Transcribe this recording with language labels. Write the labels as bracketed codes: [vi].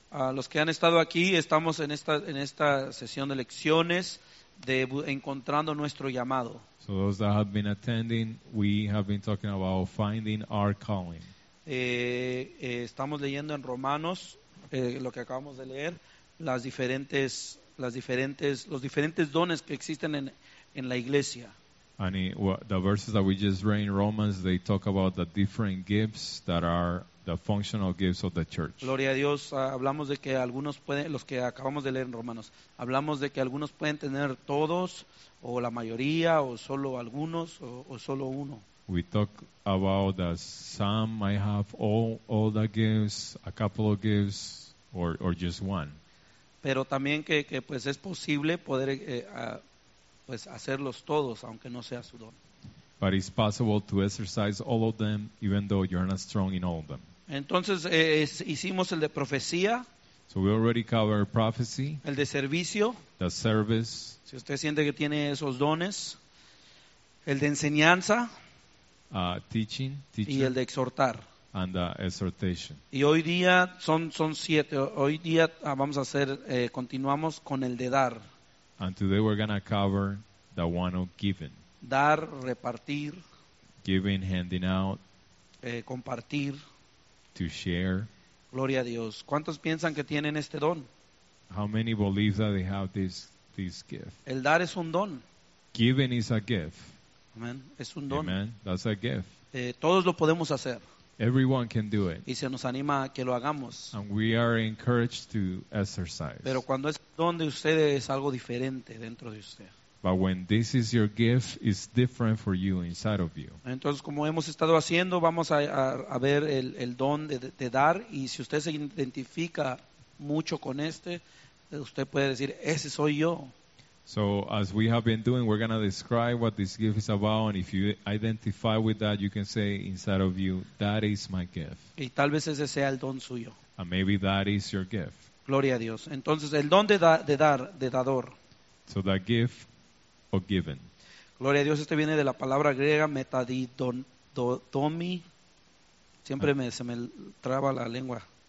[es] Los que han estado aquí, estamos en esta sesión de lecciones de encontrando nuestro llamado. [en] So those that have been attending, we have been talking about finding our calling. [es] Estamos leyendo en Romanos lo que acabamos de leer, los diferentes dones que existen en la iglesia. [en] And the verses that we just read in Romans, they talk about the different gifts that are the functional gifts of the church. [es] Gloria a Dios, hablamos de que algunos pueden, los que acabamos de leer en Romanos, hablamos de que algunos pueden tener todos, o la mayoría, o solo algunos, o solo uno. [en] We talk about that some might have all the gifts, a couple of gifts, or just one. [es] Pero también que pues es posible poder... pues hacerlos todos, aunque no sea su don. [en] But it's possible to exercise all of them, even though you're not strong in all of them. [es] Entonces, hicimos el de profecía. [en] So we already covered prophecy. [es] El de servicio. [en] The service. [es] Si usted siente que tiene esos dones. El de enseñanza. [en] Teaching. Teacher, [es] y el de exhortar. [en] And the exhortation. [es] Y hoy día son siete. Hoy día vamos a hacer, continuamos con el de dar. [en] And today we're going to cover the one of giving. [es] Dar, repartir. [en] Giving, handing out. [es] Compartir. [en] To share. [es] Gloria a Dios. ¿Cuántos piensan que tienen este don? [en] How many believe that they have this gift? [es] El dar es un don. [en] Giving is a gift. [es] Amen. Es un don. [en] Amen. That's a gift. [es] Todos lo podemos hacer. [en] Everyone can do it. [es] Y se nos anima a que lo hagamos. [en] And we are encouraged to exercise. [es] Pero cuando es don de usted, es algo diferente dentro de usted. [en] But when this is your gift, it's different for you inside of you. [es] Entonces, como hemos estado haciendo, vamos a ver el don de dar. Y si usted se identifica mucho con este, usted puede decir, ese soy yo. [en] So as we have been doing, we're going to describe what this gift is about. And if you identify with that, you can say inside of you, that is my gift. [es] Y tal vez ese sea el don suyo. [en] And maybe that is your gift. [es] Gloria a Dios. Entonces, el don de dador. [en] So that gift or given. [es] Gloria a Dios. Este viene de la palabra griega metadidomi. Siempre se me traba la lengua.